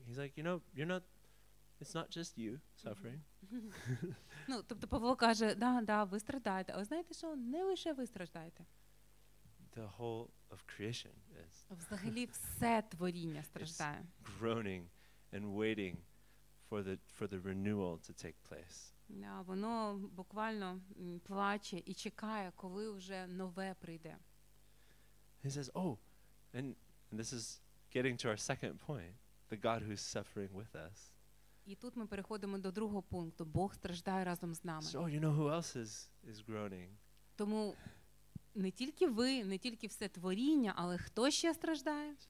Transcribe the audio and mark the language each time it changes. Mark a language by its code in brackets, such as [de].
[en] He's like, you know, it's not just you suffering. [uk] Ну, тобто Павло каже, да, ви страждаєте. А знаєте що? Не лише ви страждаєте. [en] The whole of creation is. [uk] Взагалі все творіння страждає. [en] It's groaning and waiting for the renewal to take place. [uk] Да, воно буквально плаче і чекає, коли вже нове прийде. [en] He says, oh, and this is getting to our second point, the God who's suffering with us. [uk] І тут ми переходимо до другого пункту. Бог страждає разом з нами. [en] So, you know, who else is groaning? [uk] Тому не тільки ви, не тільки все творіння, але хто ще страждає?